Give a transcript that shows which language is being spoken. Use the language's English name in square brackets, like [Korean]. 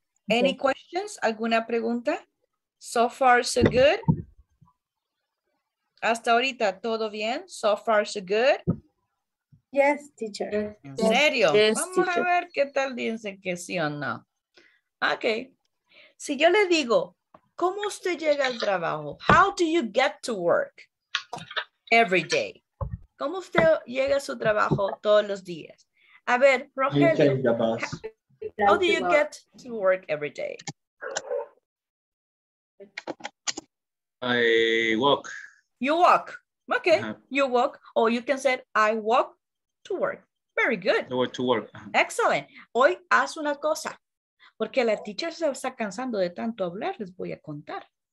[English] Any questions? [Spanish] ¿Alguna pregunta? [English] So far, so good. [Spanish] Hasta ahorita, ¿todo bien? [English] So far, so good. Yes, teacher. [Spanish] ¿En serio? Yes, vamos teacher. A ver qué tal dicen que sí o no. Ok. Si yo le digo, ¿cómo usted llega al trabajo? [English] How do you get to work every day? [Spanish] ¿Cómo usted llega a su trabajo todos los días? A ver, [English] Rogelio, how do you get to work every day? I walk. You walk. Okay, you walk. Or you can say, I walk to work. Very good. I walk to work. Excellent. [Spanish] Hoy haz una cosa, porque la teacher se está cansando de tanto hablar, les voy a contar.